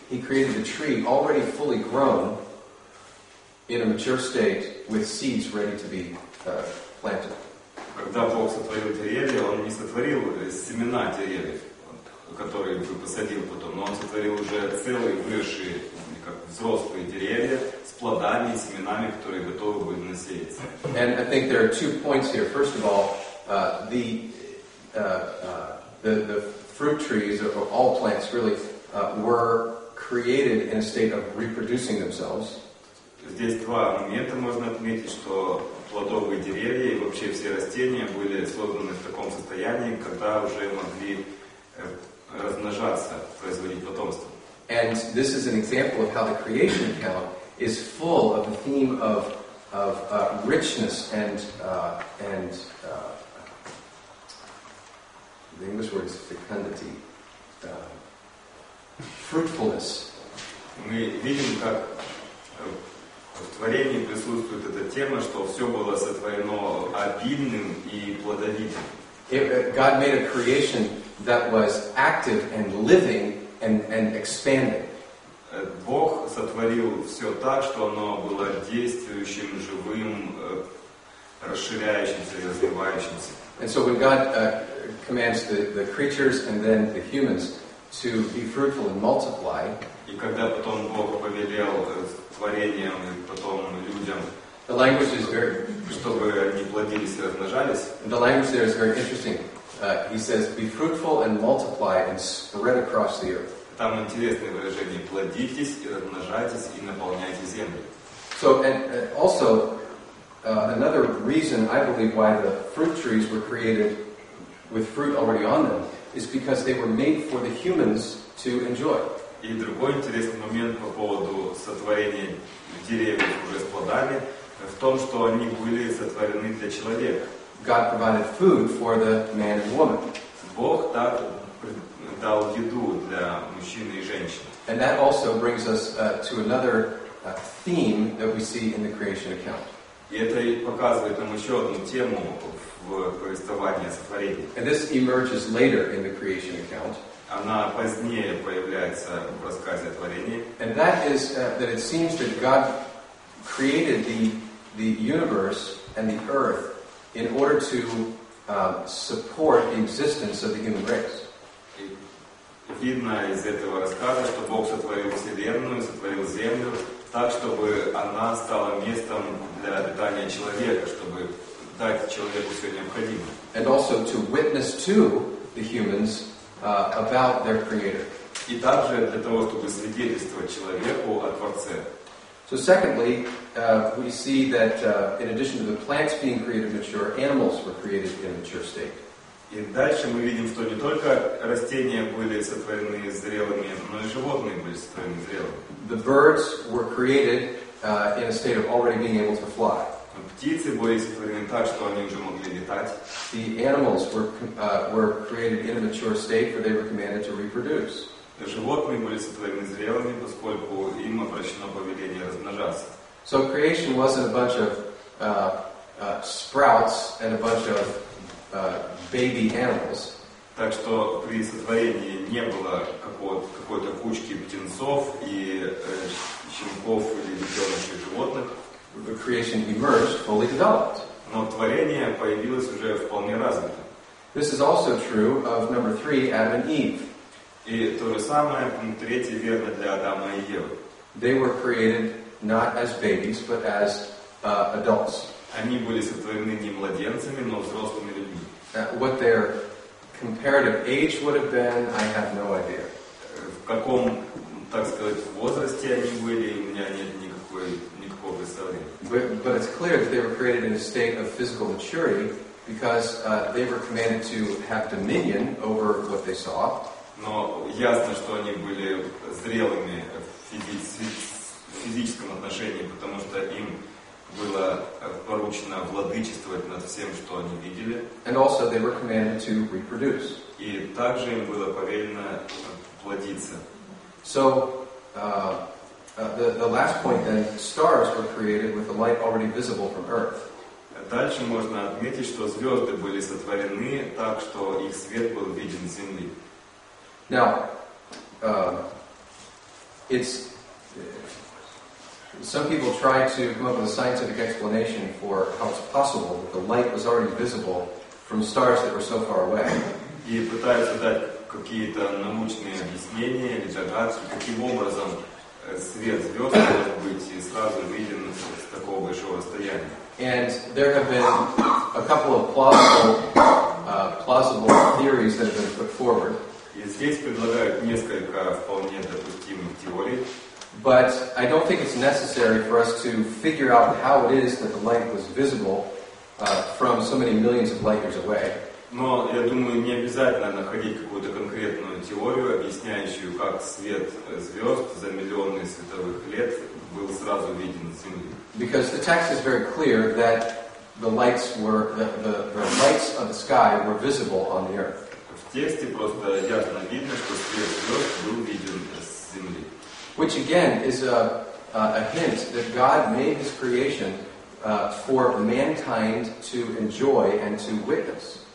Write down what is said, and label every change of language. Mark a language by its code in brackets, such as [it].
[en] He created the tree already fully grown in a mature state with seeds ready to be [ru] Когда Бог сотворил деревья, Он не сотворил семена деревьев, которые Он посадил потом, но Он сотворил уже целые выросшие, как взрослые деревья с плодами и семенами, которые готовы были насеяться. [en] And I think there are two points here. First of all, the fruit trees of all plants really were created in a state of reproducing themselves. [ru] Здесь два момента можно отметить, что плодовые деревья и вообще все растения были созданы в таком состоянии, когда уже могли размножаться, производить потомство. [en] And this is an example of how the creation account is full of the theme of richness and the English word is fecundity, fruitfulness. [ru] Мы видим, как в творении присутствует эта тема, что все было сотворено обильным и плодовитым. [en] God made a creation that was active and living and expanding. [ru] Бог сотворил все так, что оно было действующим, живым, расширяющимся и развивающимся. [en] And so when God commands the creatures and then the humans to be fruitful and multiply, [ru] и когда потом Бог повелел творением и потом людям, [en] the language is very, [ru] чтобы они плодились и размножались. [en] The language there is very interesting. He says, "Be fruitful and multiply and spread across the earth." [ru] Там интересное выражение: плодитесь и размножайтесь и наполняйте землю. [en] So and also another reason I believe why the fruit trees were created with fruit already on them is because they were made for the humans to enjoy. [ru] И другой интересный момент по поводу сотворения деревьев уже с плодами в том, что они были сотворены для человека. [en] God provided food for the man and woman. [ru] Бог так дал еду для мужчины и женщины. [en] And that also brings us to another theme that we see in the creation account. [ru] И это показывает нам еще одну тему в повествовании о сотворении. [en] And this emerges later in the creation account. [ru] Она позднее появляется в рассказе о творении. [en] And that is that it seems that God created the universe and the earth in order to support the existence of the human race. [ru] Видно из этого рассказа, что Бог сотворил Вселенную, сотворил Землю так, чтобы она стала местом для обитания человека, чтобы дать человеку все необходимое. [en] And also to witness to the humans about their creator. [ru] И также для того, чтобы свидетельствовать человеку о Творце. [en] So secondly, we see that in addition to the plants being created mature, animals were created in a mature state. [ru] И дальше мы видим, что не только растения были сотворены зрелыми, но и животные были сотворены зрелыми. [en] The birds were created in a state of already being able to fly. [ru] Птицы были сотворены так, что они уже могли летать. [en] The animals were created in a mature state, for they were commanded to reproduce. [ru] Животные были сотворены зрелыми, поскольку им обращено повеление размножаться. [en] So creation wasn't a bunch of sprouts and a bunch of baby animals. [ru] Так что при сотворении не было какой-то кучки птенцов и щенков или детенышей животных. [en] The creation emerged fully developed. [ru] Но творение появилось уже вполне развитым. [en] This is also true of number three, Adam and Eve. [ru] И то же самое, пункт третий, верно для Адама и Евы. [en] They were created not as babies, but as adults. [ru] Они были сотворены не младенцами, но взрослыми людьми. [en] What their comparative age would have been, I have no idea. [ru] В каком, так сказать, возрасте они были, у меня нет никакого представления. [en] But it's clear that they were created in a state of physical maturity because they were commanded to have dominion over what they saw. [ru] Но ясно, что они были зрелыми в физическом отношении, потому что им было поручено владычествовать над всем, что они видели. [en] And also they were commanded to reproduce. [ru] И также им было повелено плодиться. [en] So, the last point then, stars were created with the light already visible from Earth. [ru] Дальше можно отметить, что звезды были сотворены так, что их свет был виден с Земли. [en] Now, it's... Some people try to come up with a scientific explanation for how it's possible that the light was already visible from stars that were so far away. [ru] И пытаются дать какие-то научные объяснения или догадки, каким образом свет звезд может быть сразу виден с такого большого расстояния. [en] And there have been a couple of plausible theories that have been put forward. [ru] И здесь предлагают несколько вполне допустимых теорий. [en] But I don't think it's necessary for us to figure out how it is that the light was visible from so many millions of light years away. [ru] Но я думаю, не обязательно находить какую-то конкретную теорию, объясняющую, как свет звезд за миллионы световых лет был сразу виден с Земли. [en] Because the text is very clear that the lights of the sky were visible on the Earth. [ru] В тексте просто ясно видно, что свет звезд был виден с Земли. [en] Which again is a hint that God made His creation for mankind to enjoy and to witness.